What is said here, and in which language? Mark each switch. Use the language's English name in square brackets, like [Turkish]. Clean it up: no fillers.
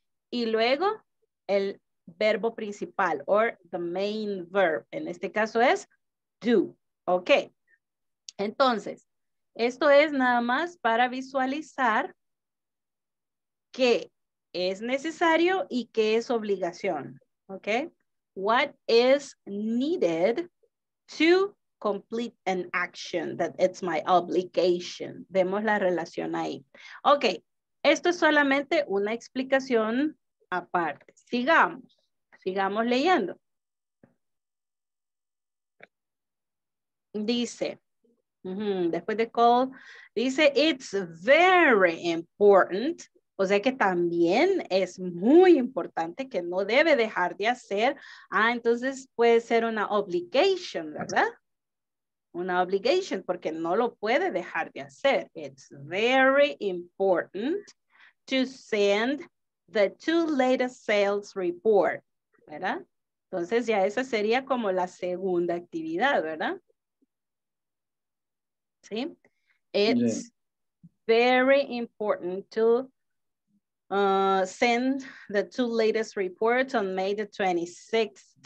[Spanish] Y luego el verbo principal, [English] or the main verb, [Spanish] en este caso es do, ok. Entonces, esto es nada más para visualizar que es necesario y qué es obligación. ¿Ok? [English] What is needed to complete an action that it's my obligation? [Spanish] Vemos la relación ahí. Ok, esto es solamente una explicación aparte. Sigamos, sigamos leyendo. Dice, después de call, dice, [English] it's very important. [Spanish] O sea que también es muy importante, que no debe dejar de hacer. Ah, entonces puede ser una obligation, ¿verdad? Una obligation, porque no lo puede dejar de hacer. [English] It's very important to send the two latest sales report, ¿verdad? [Spanish] Entonces ya esa sería como la segunda actividad, ¿verdad? ¿Sí? [English] It's very important to send the two latest reports on May the 26th.